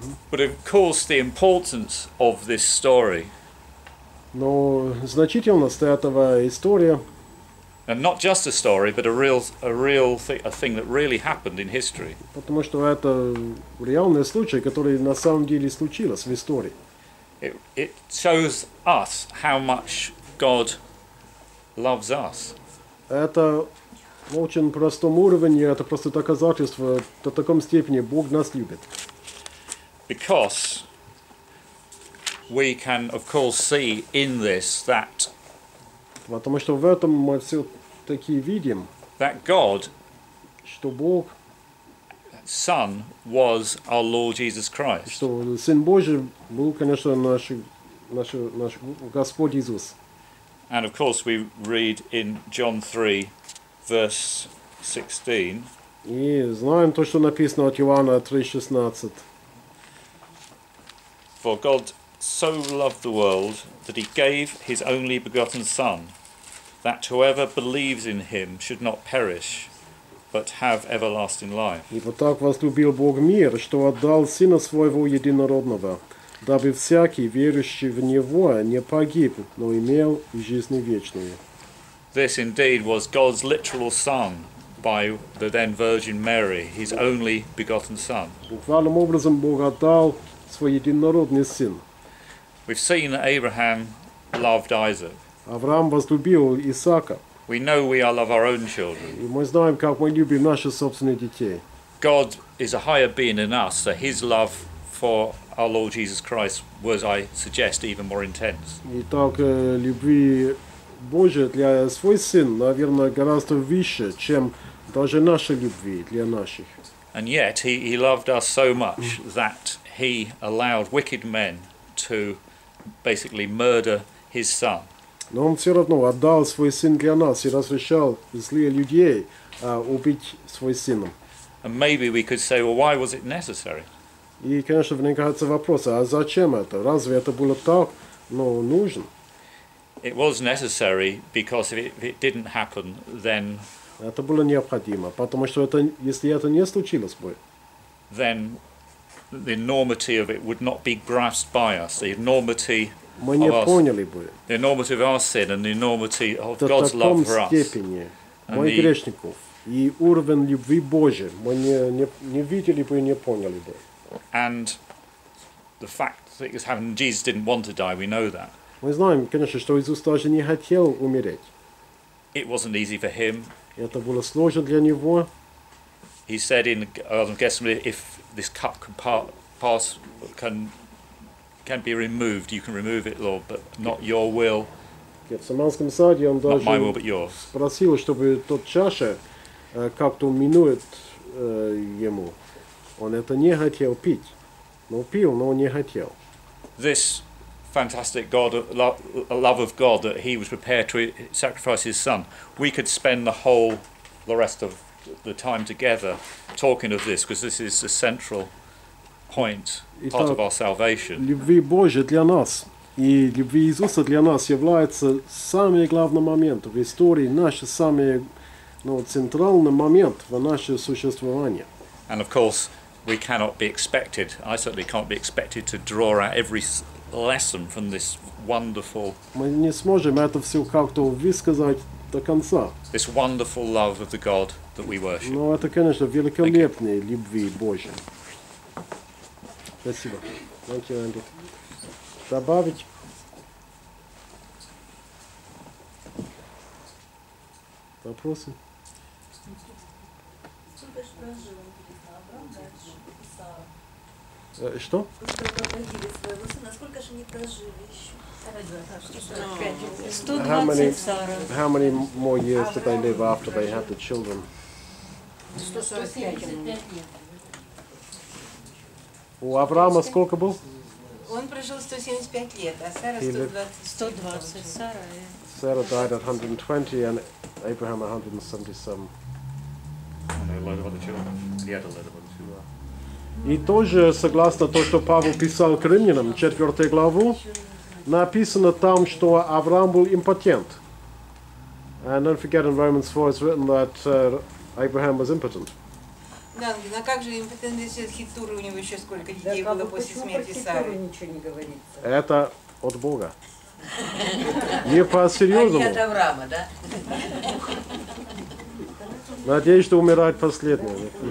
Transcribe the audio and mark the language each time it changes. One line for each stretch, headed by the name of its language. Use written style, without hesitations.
English: But of course, the importance of this story.
Russian: Но значительность этого история.
English: And not just a story, but a real thing that really happened in history.
Russian: Потому что это реальный случай, который на самом деле случился в истории.
English: It shows us how much God loves us.
Russian: Это в очень простом уровне, это просто доказательство, до такой степени Бог нас любит.
English: Because we can, of course, see in this that.
Russian: Потому что в этом мы все таки видим,
English: that God,
Russian: что Бог,
English: Son was our Lord Jesus Christ.
Russian: Что Сын Божий был, конечно, наш Господь Иисус.
English: And of course we read in John 3, verse 16.
Russian: И знаем то, что написано от Иоанна 3:16.
English: For God so loved the world that he gave his only begotten Son, that whoever believes in him should not perish, but have everlasting life.
Russian: Ибо так возлюбил Бог мир, что отдал Сына Своего Единородного, дабы всякий, верующий в Него, не погиб, но имел жизнь вечную.
English: This indeed was God's literal Son by the then Virgin Mary, his only begotten Son.
Russian: Буквальным образом Бог отдал Свой Единородный Сын.
English: We've seen that Abraham loved Isaac.
Russian: Авраам возлюбил Исаака.
English: We know we all love our own children.
Russian: И мы знаем, как мы любим наших собственных детей.
English: God is a higher being than us, so his love for our Lord Jesus Christ was, I suggest, even more intense.
Russian: Итак, любви Божия для свой сын, наверное, гораздо выше, чем даже наша любви для наших.
English: And yet he loved us so much that he allowed wicked men to basically murder his son.
Russian: Но он все равно отдал свой сын для нас и разрешал злые людей убить свой сына.
English: And maybe we could say, well, why was it necessary?
Russian: И, конечно, возникается вопрос, а зачем это? Разве это было так, но нужно?
English: It was necessary because if it didn't happen, then.
Russian: Это было необходимо, потому что если это не случилось бы.
English: Then the enormity of it would not be grasped by us, the enormity
Russian: мы не поняли бы.
English: The enormity of our sin and the enormity of God's love for us.
Russian: Моих грешников и уровень любви Божьей мы не видели бы и не поняли бы.
English: And the fact that it's happened, Jesus didn't want to die, we know that.
Russian: Мы знаем, конечно, что Иисус даже не хотел умереть.
English: It wasn't easy for him.
Russian: Это было сложно для него.
English: He said in Gethsemane, if this cup can be removed, you can remove it, Lord, but not your will.
Russian: Гефсиманском саде он даже
English: my will, but yours.
Russian: Спросил, чтобы тот чаша как-то минует ему. Он это не хотел пить, но пил, но не хотел.
English: This fantastic God, a love of God, that He was prepared to sacrifice His Son. We could spend the rest of the time together talking of this, because this is the central point, part of our salvation.
Russian: Любви Божьей для нас. И любви Иисуса для нас является самым главным моментом в истории, наш самый центральный момент в нашем существовании.
English: And of course, we cannot be expected, I certainly can't be expected to draw out every lesson from this wonderful...
Russian: Мы не сможем это все как-то высказать до конца.
English: This wonderful love of the God that we worship.
Russian: Но это, конечно, великолепная любви Божья. Спасибо.
English: Thank you, Andy.
Russian: Добавить. Вопросы? Что? Насколько же они прожили еще? 120
English: How many more years did they live after they had the children? 145.
Russian: У Авраама сколько был? Он прожил 175 лет, а Сара 120.
English: Sarah died at 120 and Abraham 177. And he had a lot of other children. He had a lot of other children.
Russian: И тоже, согласно то, что Павел писал к римлянам, 4 главу, написано там, что Авраам был импотент.
English: And don't forget in Romans 4 it's written that Abraham was impotent.
Russian: Да, но как же импотент, если хитуры у него еще сколько детей да, было после смерти Сары? Ничего не говорится. Это от Бога. Не по-серьезному. А не от Авраама, да? Надеюсь, что умирает последний.